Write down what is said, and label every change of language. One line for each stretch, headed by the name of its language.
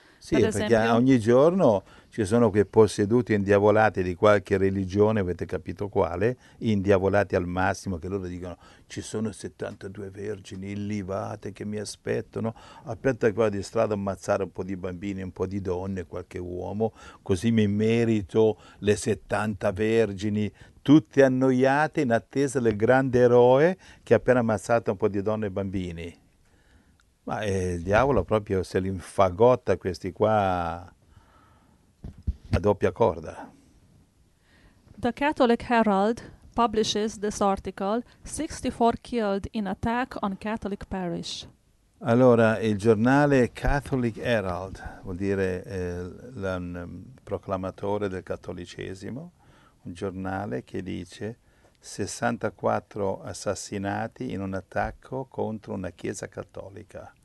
Italian: Sì, perché ogni giorno ci sono quei posseduti indiavolati di qualche religione, avete capito quale, indiavolati al massimo, che loro dicono: ci sono 72 vergini illivate che mi aspettano, aspetta qua di strada ammazzare un po' di bambini, un po' di donne, qualche uomo, così mi merito le 70 vergini, tutte annoiate in attesa del grande eroe che ha appena ammazzato un po' di donne e bambini. Ma il diavolo proprio se li infagotta questi qua a doppia corda.
English: The Catholic Herald publishes this article, 64 killed in attack on Catholic parish.
Italian: Allora, il giornale Catholic Herald, vuol dire un proclamatore del cattolicesimo, un giornale che dice 64 assassinati in un attacco contro una chiesa cattolica.